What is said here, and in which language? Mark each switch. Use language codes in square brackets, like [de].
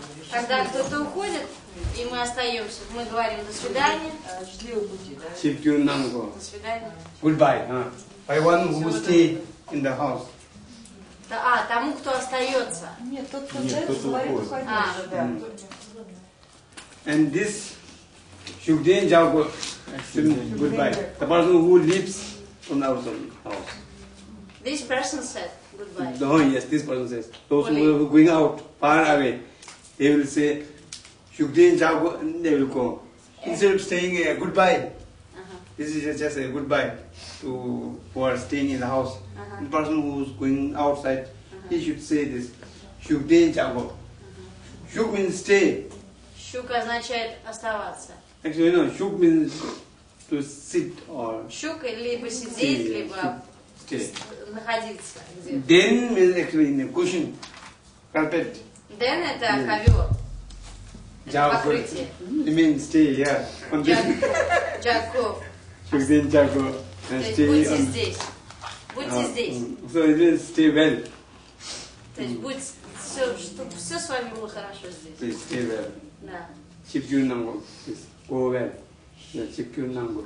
[ru] Когда кто-то уходит, и мы остаемся, мы говорим до свидания. [bo] Shibyu Nanggu. [ru] До свидания. [en] Goodbye. By one who stay in the house. [ru] А, тому, кто остается. Нет, тот, кто говорит, уходит. [en] And this Shukden Jao go goodbye. The person who lives on our house. This person said goodbye. No, yes, this person says. Those who are going out far away, they will say Shukden Jao go and they will go. Instead of saying goodbye. This is just a goodbye to who are staying in the house. The person who is going outside, he should say this. Shukden Jao go. Shuk means stay. [ru] Шук означает оставаться. [en] Шук means to sit or... [ru] Шук либо сидеть, либо находиться где-то. [en] Den means actually in a cushion, carpet. [ru] Den это ковер. Это покрытие. [en] It means stay, yeah. [bo] Джако. Шук день джако. [ru] То есть будьте здесь. Будьте здесь. [en] So it means stay well. [ru] То есть будь... Чтобы все с вами было хорошо здесь. [en] Please stay well. [ru] Да. [bo] Чипюнангу. [en] Go well. [bo] Чипюнангу.